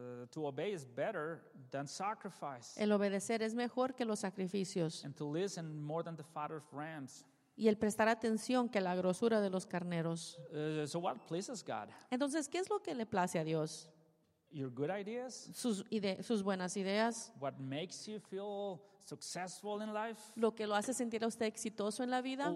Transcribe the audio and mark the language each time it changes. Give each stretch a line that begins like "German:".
English: To obey is better than sacrifice.
Spanish: El obedecer es mejor que los sacrificios.
English: And to listen more than the fatter of rams.
Spanish: Y el prestar atención que la grosura de los carneros.
English: So what pleases God?
Spanish: Entonces, ¿qué es lo que le place a Dios?
English: Your good ideas,
Spanish: sus buenas ideas,
English: what makes you feel successful in life,
Spanish: lo que lo hace sentir a usted exitoso en la vida,